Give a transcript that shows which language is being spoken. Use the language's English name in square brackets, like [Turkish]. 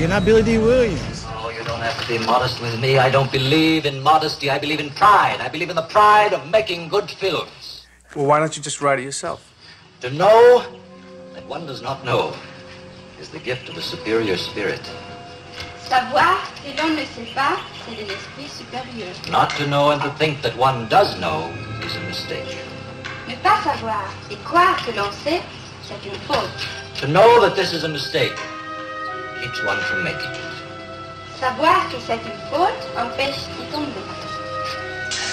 [English] You're not Billy Dee Williams. Oh, you don't have to be modest with me. I don't believe in modesty. I believe in pride. I believe in the pride of making good films. Well, why don't you just write it yourself? To know that one does not know is the gift of a superior spirit. [French] Savoir que l'on ne sait pas, c'est de l'esprit supérieur. [English] Not to know and to think that one does know is a mistake. [French] Ne pas savoir et croire que l'on sait, c'est une faute. [English] To know that this is a mistake keeps one from making it. [French] Savoir que c'est une faute empêche de tomber.